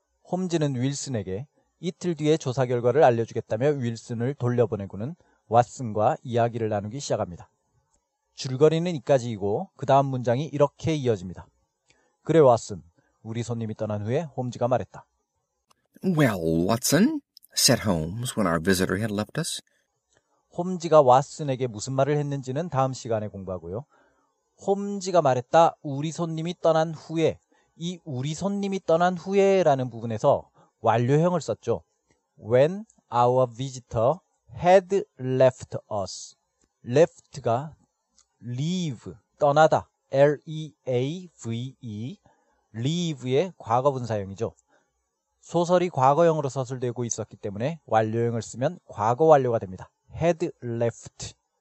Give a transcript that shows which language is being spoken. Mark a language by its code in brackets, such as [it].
[ko] 홈즈는 윌슨에게 이틀 뒤에 조사 결과를 알려주겠다며 윌슨을 돌려보내고는 왓슨과 이야기를 나누기 시작합니다. 줄거리는 이까지이고 그 다음 문장이 이렇게 이어집니다. 그래 왓슨, 우리 손님이 떠난 후에 홈즈가 말했다. [en] Well, Watson, said Holmes when our visitor had left us. [ko] 홈즈가 왓슨에게 무슨 말을 했는지는 다음 시간에 공부하고요. 홈즈가 말했다, 우리 손님이 떠난 후에, 이 우리 손님이 떠난 후에 라는 부분에서 완료형을 썼죠. [en] When our visitor had left us. [ko] Left가 leave, 떠나다, L-E-A-V-E, leave의 과거분사형이죠. 소설이 과거형으로 서술되고 있었기 때문에 완료형을 쓰면 과거 완료가 됩니다. [en] had left.